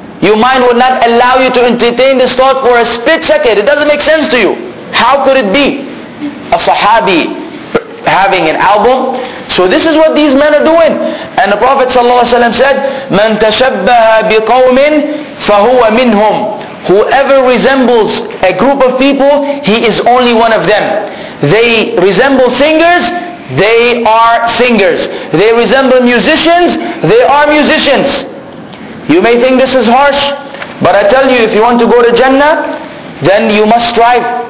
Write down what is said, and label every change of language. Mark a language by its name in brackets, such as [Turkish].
[English] Your mind would not allow you to entertain this thought for a split second. It doesn't make sense to you. How could it be? A Sahabi having an album? So this is what these men are doing. And the Prophet ﷺ said, [Arabic] مَنْ تَشَبَّهَ بِقَوْمٍ فَهُوَ مِنْهُمْ. [English] Whoever resembles a group of people, he is only one of them. They resemble singers, they are singers. They resemble musicians, they are musicians. You may think this is harsh, but I tell you, if you want to go to Jannah, then you must strive.